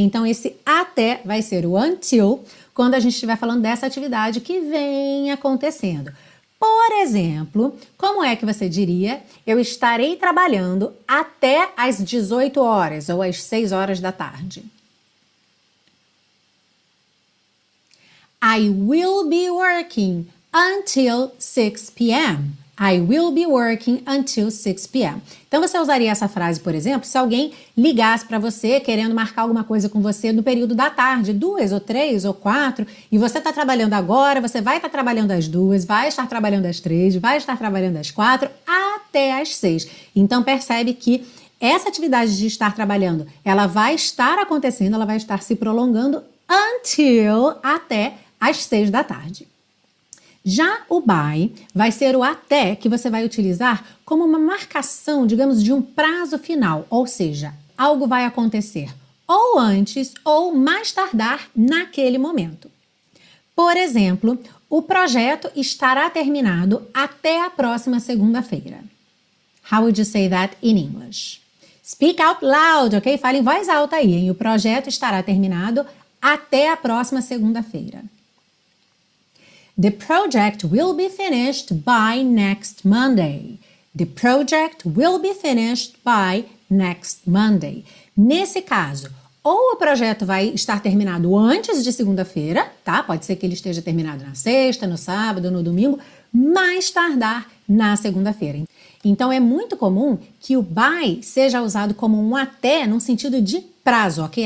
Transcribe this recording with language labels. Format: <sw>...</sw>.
<pt>Então esse até vai ser o until quando a gente estiver falando dessa atividade que vem acontecendo. Por exemplo, como é que você diria, eu estarei trabalhando até as 18 horas ou às 6 horas da tarde?</pt> <en>I will be working until 6 p.m. I will be working until 6 p.m.</en> <pt>Então você usaria essa frase, por exemplo, se alguém ligasse para você querendo marcar alguma coisa com você no período da tarde, 2, 3 ou 4, e você está trabalhando agora, você vai estar trabalhando às 2, vai estar trabalhando às 3, vai estar trabalhando às 4, até às 6. Então percebe que essa atividade de estar trabalhando, ela vai estar acontecendo, ela vai estar se prolongando until, até às 6 da tarde. Já o by vai ser o até que você vai utilizar como uma marcação, digamos, de um prazo final. Ou seja, algo vai acontecer ou antes ou mais tardar naquele momento. Por exemplo, o projeto estará terminado até a próxima segunda-feira.</pt> <en>How would you say that in English? Speak out loud, ok?</en> <pt>Fale em voz alta aí, hein? O projeto estará terminado até a próxima segunda-feira.</pt> <en>The project will be finished by next Monday. The project will be finished by next Monday.</en> <pt>Nesse caso, ou o projeto vai estar terminado antes de segunda-feira, tá? Pode ser que ele esteja terminado na sexta, no sábado, no domingo, mais tardar na segunda-feira. Então, é muito comum que o by seja usado como um até no sentido de prazo, ok?</pt>